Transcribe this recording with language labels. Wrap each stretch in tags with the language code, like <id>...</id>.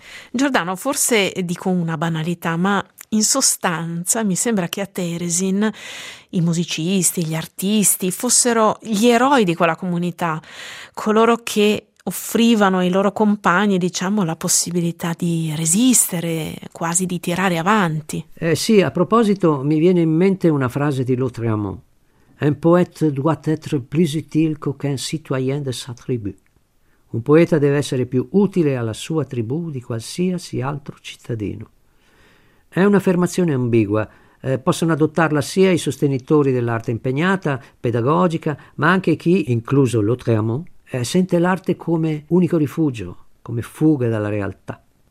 <it>Giordano, forse dico una banalità, ma in sostanza mi sembra che a Teresin i musicisti, gli artisti fossero gli eroi di quella comunità, coloro che offrivano ai loro compagni, diciamo, la possibilità di resistere, quasi di tirare avanti. Sì, a proposito, mi viene in mente una frase di Lautréamont:</it> <fr>«Un poète doit être plus utile qu'un citoyen de sa tribu».</fr> <it>Un poeta deve essere più utile alla sua tribù di qualsiasi altro cittadino. È un'affermazione ambigua. Possono adottarla sia i sostenitori dell'arte impegnata, pedagogica, ma anche chi, incluso Lautréamont, sente l'arte come unico rifugio, come fuga dalla realtà.</it>